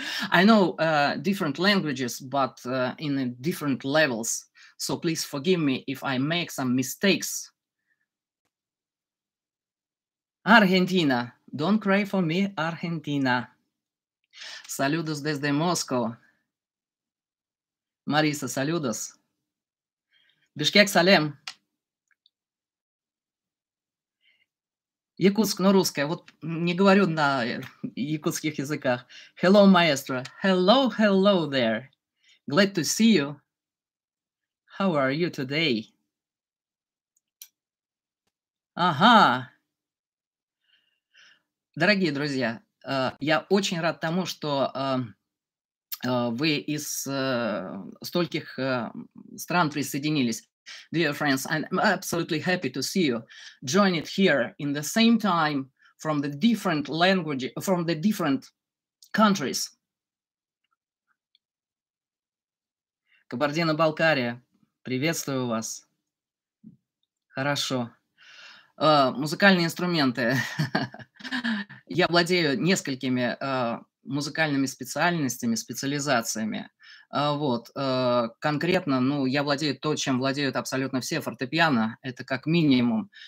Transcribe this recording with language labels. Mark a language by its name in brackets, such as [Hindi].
[English] I know different languages, but in different levels. So please forgive me if I make some mistakes. [Russian] Аргентина. [English] Don't cry for me, Аргентина. [Spanish] Saludos desde Moscow. Мариса, saludos. Бишкек, салем. [Russian] Якутск, но русская. Вот не говорю на якутских языках. [English] Hello, maestro. Hello, hello there. Glad to see you. How are you today? [Russian] Ага. Дорогие друзья, я очень рад тому, что вы из стольких стран присоединились. [English] Dear friends, I'm absolutely happy to see you join it here in the same time from the different language, from the different countries. [Russian] Кабардино-Балкария, приветствую вас. Хорошо. Музыкальные инструменты. Я владею несколькими музыкальными специальностями, специализациями. Вот, конкретно, ну, я владею то, чем владеют абсолютно все, фортепиано, это как минимум.